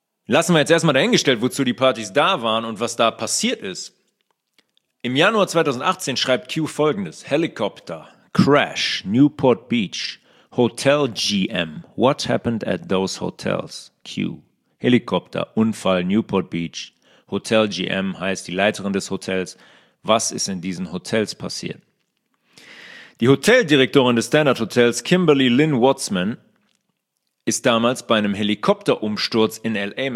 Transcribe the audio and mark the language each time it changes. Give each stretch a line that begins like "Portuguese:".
German: Lassen wir jetzt erstmal dahingestellt, wozu die Partys da waren und was da passiert ist. Im Januar 2018 schreibt Q folgendes:
English: Helicopter, Crash, Newport Beach, Hotel GM. What happened at those hotels? Q.
German: Helikopter, Unfall, Newport Beach, Hotel GM heißt die Leiterin des Hotels. Was ist in diesen Hotels passiert? Die Hoteldirektorin des Standard Hotels, Kimberly Lynn Watzman, ist damals bei einem Helikopterumsturz in L.A.